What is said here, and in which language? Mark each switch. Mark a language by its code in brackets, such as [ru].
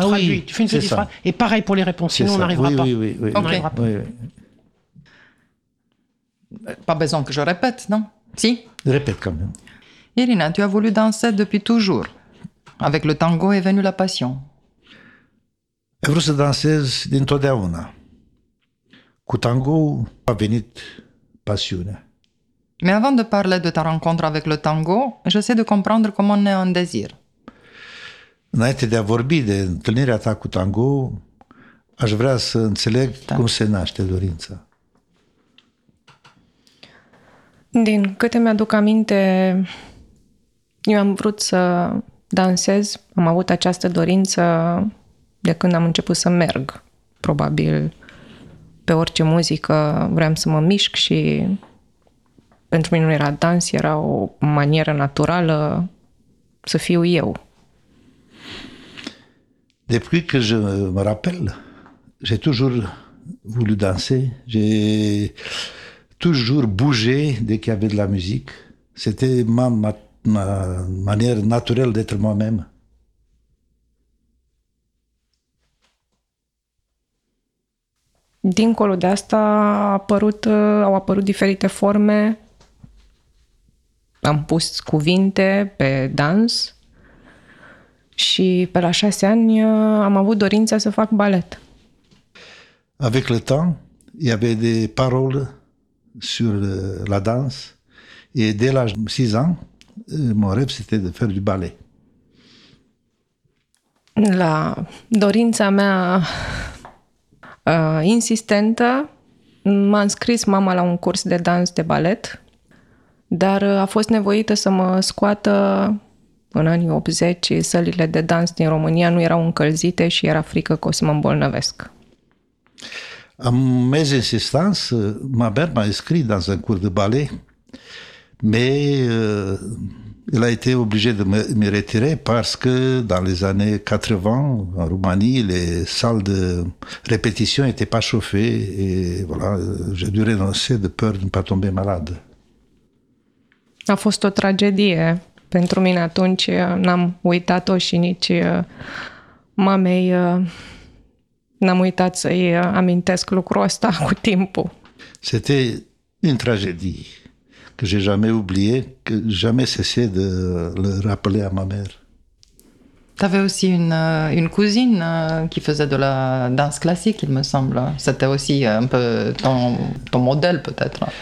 [fr] traduis. Oui. Tu fais une petite C'est phrase. Ça. Et pareil pour les réponses. Sinon, on n'arrivera pas. Okay. Pas besoin que je répète, non? Si. Répète quand même. Irina, tu as voulu danser depuis toujours. Avec le tango est venue la passion. [ro] Ai vrut să dansez dintotdeauna. Cu tango a venit pasiunea. [fr] Mais avant de parler de ta rencontre avec le tango, j'essaie de comprendre comment naît un désir. [ro] Înainte de a vorbi de întâlnirea ta cu tango, aș vrea să înțeleg cum se naște dorința. Din câte mi-aduc aminte, eu am vrut să dansez, am avut această dorință de când am început să merg, probabil, pe orice muzică, vreau să mă mișc și pentru mine nu era dans, era o manieră naturală să fiu eu. [fr] Depuis que je me rappelle, j'ai toujours voulu danser, j'ai toujours bougé dès qu'il y avait de la musique. C'était ma manière naturelle d'être moi-même. [ro] Dincolo de asta, au apărut diferite forme. Am pus cuvinte pe dans. Și pe la 6 ani am avut dorința să fac balet. [fr] Avec le temps, il y avait des paroles sur la danse et dès l'âge de 6 ans, mon rêve c'était de faire du ballet. [ro] La dorința mea insistentă, m-a înscris mama la un curs de dans de balet, dar a fost nevoită să mă scoată. În anii 80, sălile de dans din România nu erau încălzite și era frică că o să mă îmbolnăvesc. [fr] Am mes insistance, ma mère m-a inscrit dans un cours de ballet, mais elle a été obligée de me retirer parce que dans les années 80, en Roumanie, les salles de répétition n'étaient pas chauffées et voilà, j'ai dû renoncer de peur de ne pas tomber malade. [ro] A fost o tragedie. Pentru mine atunci n-am uitat-o și nici mamei n-am uitat să-i amintesc lucrul ăsta cu timpul. [fr] C'était une tragédie que j'ai jamais oublié, que jamais cessé de le rappeler à ma mère. T'avais aussi une cousine qui faisait de la danse classique, il me semble. C'était aussi un peu ton modèle, peut-être.